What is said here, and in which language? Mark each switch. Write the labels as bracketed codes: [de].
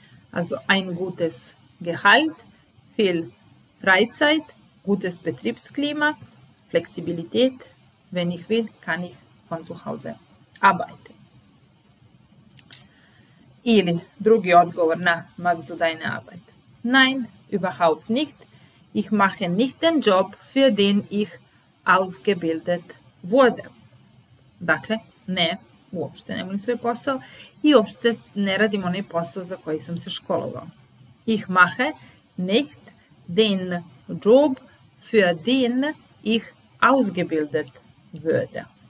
[de] Also, ein gutes Gehalt, viel Freizeit, gutes Betriebsklima, Flexibilität, wenn ich will, kann ich von zu Hause arbeiten. [bs] Ili drugi odgovor na [de] magst du deine Arbeit? Nein, überhaupt nicht. Ich mache nicht den Job, für den ich ausgebildet wurde. [bs] Dakle, ne, uopšte ne volim svoj posao i uopšte ne radim onaj posao za koji sam se školovao. [de] Ich mache nicht den Job, für den ich ausgebildet würde.